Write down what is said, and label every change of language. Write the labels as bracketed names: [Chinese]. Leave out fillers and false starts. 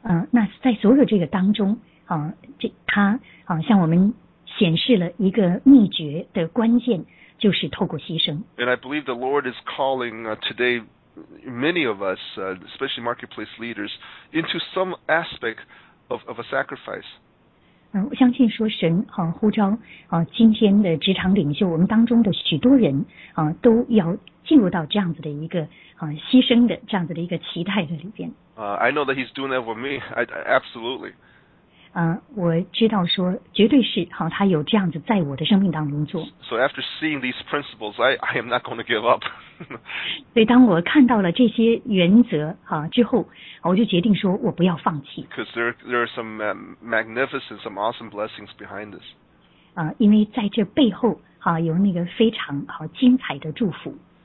[Chinese] 那在所有这个当中，他向我们显示了一个秘诀的关键，就是透过牺牲。 [English] And I believe the Lord is calling today many of us, especially marketplace leaders, into some aspect of a sacrifice. [Chinese] 我相信说神呼召今天的职场领袖，我们当中的许多人都要进入到这样子的一个牺牲的这样子的一个期待的里边。 [English] I know that he's doing that for me. Absolutely. [Chinese] 我知道说绝对是他有这样子在我的生命当中做。 [English] So after seeing these principles, I am not going to give up. [Chinese] 所以当我看到了这些原则之后，我就决定说我不要放弃。 [English] Because there are some magnificent, some awesome blessings behind this. [Chinese] 因为在这背后有那个非常精彩的祝福。